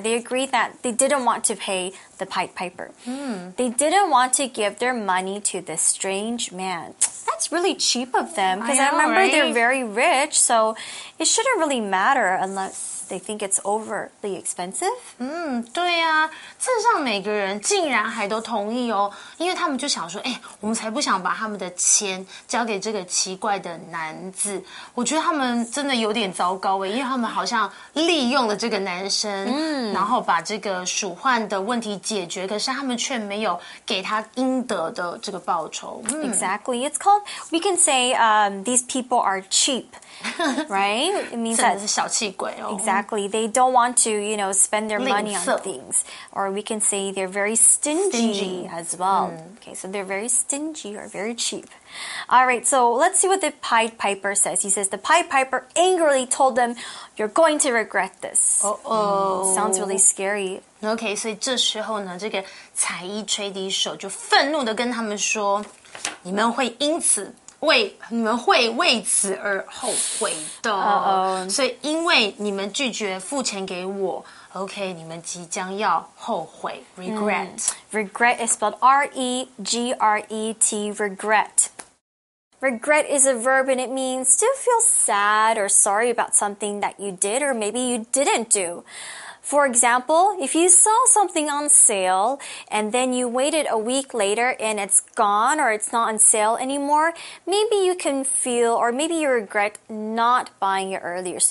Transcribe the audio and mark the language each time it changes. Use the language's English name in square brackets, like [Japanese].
[English] They agree that they didn't want to pay the Pied Piper. They didn't want to give their money to this strange man. It's really cheap of them because I remember right? they're very rich, so it shouldn't really matter unless they think it's overly expensive. [Chinese] 对呀、啊，镇上每个人竟然还都同意哦，因为他们就想说，哎，我们才不想把他们的钱交给这个奇怪的男子。我觉得他们真的有点糟糕哎，因为他们好像利用了这个男生，然后把这个鼠患的问题解决，可是他们却没有给他应得的这个报酬。 [English] Exactly, it's called. We can say these people are cheap, right? [Chinese] It means that 真的是小气鬼哦。 [English] Exactly. They don't want to, you know, spend their money on things. Or we can say they're very stingy as well. Okay, so they're very stingy or very cheap. All right, so let's see what the Pied Piper says. He says, the Pied Piper angrily told them, you're going to regret this. Sounds really scary. [Chinese] Okay, 所以这时候呢，这个彩衣吹笛手就愤怒地跟他们说你们会因此为你们会为此而后悔的，所以因为你们拒绝付钱给我 ，OK， 你们即将要后悔 ，regret。 [English] Regret is spelled R-E-G-R-E-T, regret. Regret is a verb and it means to feel sad or sorry about something that you did or maybe you didn't do. For example, if you saw something on sale and then you waited a week later and it's gone or it's not on sale anymore, maybe you can feel or maybe you regret not buying it earlier.